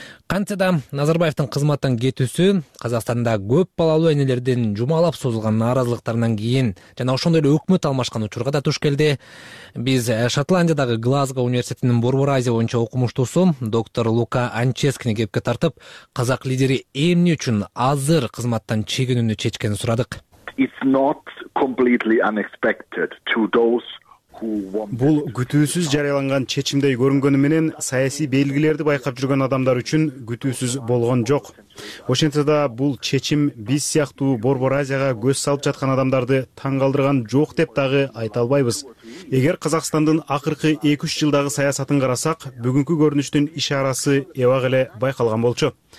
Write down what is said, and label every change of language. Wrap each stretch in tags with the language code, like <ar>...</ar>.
<ky>Кантсе да Назарбаевдин кызматтан кетүүсү Казакстанда көп балалуу энелердин жумалап созулган нааразылыктарынан кийин жана ошондой эле өкмөт алмашкан учурга да туш келди. Биз Шотландиядагы Глазго университетинин Борбор Азия боюнча окумуштуусу доктор Лука Анческини кепке тартып, казак лидери эмне үчүн азыр кызматтан чегинүүнү чечкенин сурадык.</ky> <en>It's not completely unexpected to those.</en> <ky>Бул күтүүсүз жарыяланган чечимдей көрүнгөнү менен саясий белгилерди байкап жүргөн адамдар үчүн күтүүсүз болгон жок. Ошентсе да бул чечим биз сыяктуу Борбор Азияга көз салып жаткан адамдарды таң калдырган жок деп дагы айта албайбыз. Эгер Казакстандын акыркы 2-3 жылдагы саясатын карасак, бүгүнкү көрүнүштүн ишарасы эбак эле байкалган болчу.</ky>